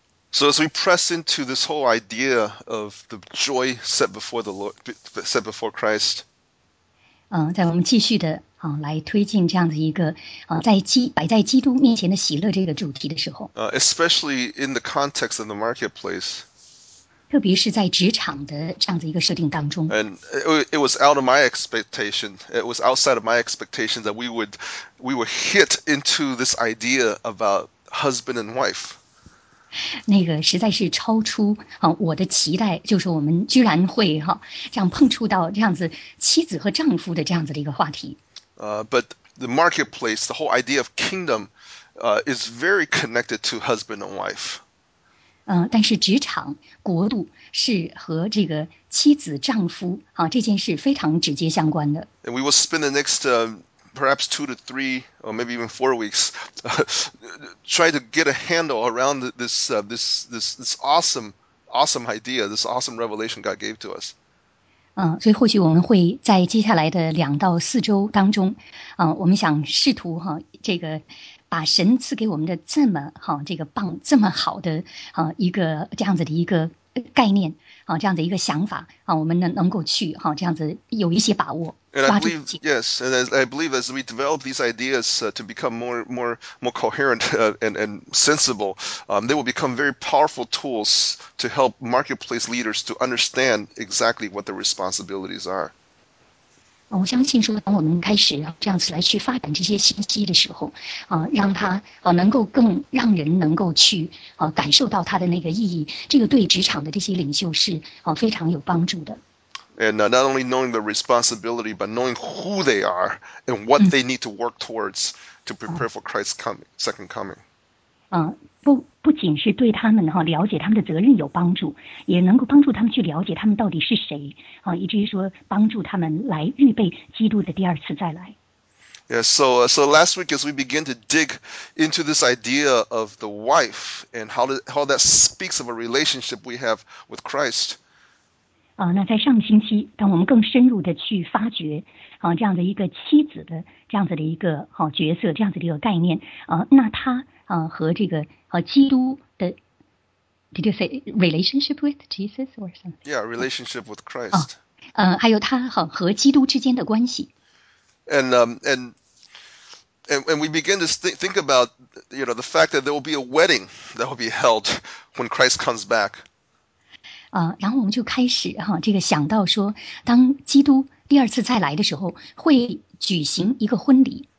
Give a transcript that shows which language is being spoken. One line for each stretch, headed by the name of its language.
English: So as we press into this whole idea of the joy set before the Lord, set before Christ.
Chinese: 在我们继续的来推进这样的一个摆在基督面前的喜乐这个主题的时候。
English: Especially in the context of the marketplace.
Chinese: 特别是在职场的这样的一个设定当中。
English: And it was out of my expectation. It was outside of my expectation that we would hit into this idea about husband and wife.
Chinese: 那个实在是超出我的期待，就是我们居然会这样碰触到这样子妻子和丈夫的这样子的一个话题。
English: But the marketplace, the whole idea of kingdom, is very connected to husband and wife.
Chinese: 但是职场国度是和这个妻子丈夫，这件事非常直接相关的。
English: And we will spend the next perhaps 2 to 3 or maybe even 4 weeks try to get a handle around this awesome idea, this awesome revelation God gave to us.
Chinese: 所以或许我们会在接下来的2到4周当中，我们想试图，这个把神赐给我们的这么好这个棒这么好的一个这样子的一个概念这样子一个想法我们能够去这样子有一些把握。
English: And I believe, yes, and I believe as we develop these ideas to become more coherent and sensible, they will become very powerful tools to help marketplace leaders to understand exactly what their responsibilities are.
Chinese: 我相信说，当我们开始这样子来去发展这些信息的时候，让它能够更让人能够去感受到它的那个意义，这个对职场的这些领袖是非常有帮助的。
English: And not only knowing the responsibility, but knowing who they are and what they need to work towards to prepare for Christ's coming, second coming.
Chinese: 不仅是对他们了解他们的责任有帮助，也能够帮助他们去了解他们到底是谁，以至于说帮助他们来预备基督的第二次再来。
English: Yeah, so last week as we begin to dig into this idea of the wife and how that speaks of a relationship we have with Christ.
Chinese: 那在上星期，当我们更深入的去发掘这样的一个妻子的这样子的一个角色，这样子的一个概念，那他和这个基督的 ，
English: did you say relationship with Jesus or something? Yeah, relationship with Christ.
Chinese: 还有他和基督之间的关系。
English: And we begin to think about the fact that there will be a wedding that will be held when Christ comes back.
Chinese: 然后我们就开始这个想到说，当基督第二次再来的时候，会举行一个婚礼。